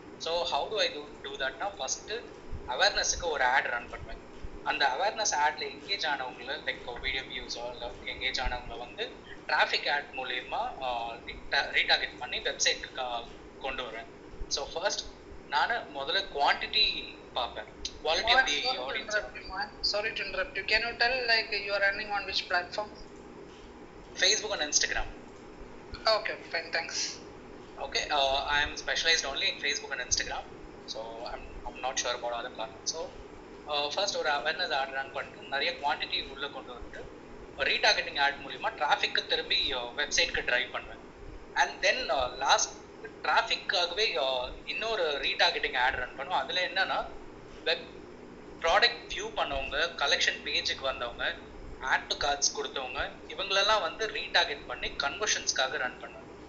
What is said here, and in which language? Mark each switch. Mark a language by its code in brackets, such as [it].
[en] so how do I do தட்னா, [ta] first அவேர்னஸுக்கு ஒரு ad run பண்ணுவேன். அந்த அவேர்னஸ் ஆட்ல எங்கேஜ் ஆனவங்களை லைக் வீடியோ வியூஸோ இல்லை எங்கேஜ் ஆனவங்களை வந்து டிராஃபிக் ஆட் மூலயமா ரீடார்கெட் பண்ணி வெப்சைட்டுக்கு கொண்டு வரேன். ஸோ ஃபர்ஸ்ட் நான் முதல்ல குவான்டிட்டி பார்ப்பேன். [en] Quality of the audience. Sorry to interrupt you. Can you tell like you are running on which platform? Facebook and Instagram. Okay, fine, thanks. Okay, I am specialized only in Facebook and Instagram. So I'm not sure about other platforms. So first or awareness ad run [ta] பண்ணி நிறைய quantity உள்ள கொண்டு வந்து retargeting ad மூலமா traffic திரும்பி website க்கு drive பண்ணுவேன். [en] And then last traffic [ta] ஆகவே இன்னொரு [en] retargeting ad run [ta] பண்ணுவோம். அதுல என்னன்னா வெப் ப்ராடக்ட் வியூ பண்ணவங்க, கலெக்ஷன் பேஜுக்கு வந்தவங்க, ஆட் டு கார்ட்ஸ் கொடுத்தவங்க இவங்களெல்லாம் வந்து ரீடார்கெட் பண்ணி கன்வர்ஷன்ஸ்க்காக ரன் பண்ணுவேன்.